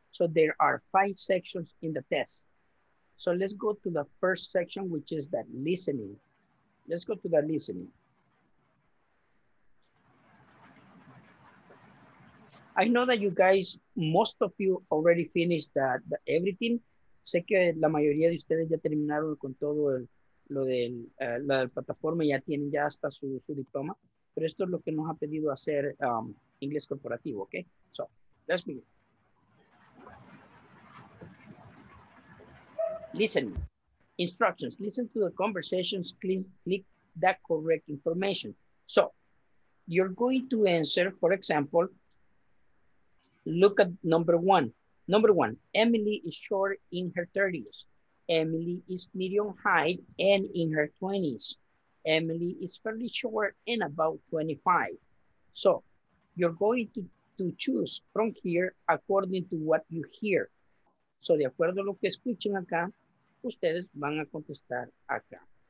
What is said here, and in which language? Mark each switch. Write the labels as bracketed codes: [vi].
[en] So there are 5 sections in the test. So let's go to the first section, which is the listening. Let's go to the listening. I know that you guys, most of you already finished the everything. [es] Sé que la mayoría de ustedes ya terminaron con todo lo del plataforma, ya tienen ya hasta su diploma. Pero esto es lo que nos ha pedido hacer inglés corporativo, ¿ok? [en] So, let's begin. Listen. Instructions. Listen to the conversations. Click that correct information. So, you're going to answer, for example, look at number one. Number one, Emily is short in her 30s. Emily is medium height and in her 20s. Emily is fairly short and about 25. So you're going to choose from here according to what you hear. [es] So de acuerdo a lo que escuchen acá, ustedes van a contestar acá.